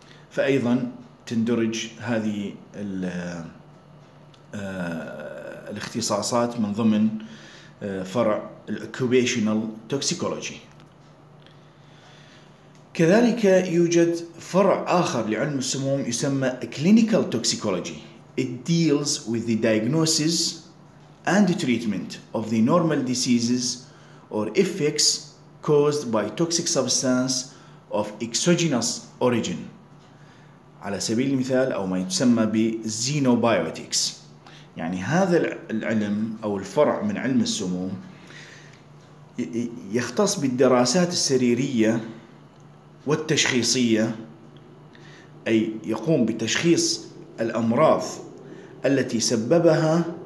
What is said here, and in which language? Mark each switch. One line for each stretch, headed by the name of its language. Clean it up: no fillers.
Arabic: فأيضا تندرج هذه الاختصاصات من ضمن فرع Occupational Toxicology. كذلك يوجد فرع آخر لعلم السموم يسمى Clinical Toxicology.
English: It deals with the diagnosis and treatment of the normal diseases or effects caused by toxic substance of exogenous origin.
Arabic: على سبيل المثال أو ما يسمى بـ Xenobiotics. يعني هذا العلم أو الفرع من علم السموم يختص بالدراسات السريرية والتشخيصية، أي يقوم بتشخيص الأمراض التي سببتها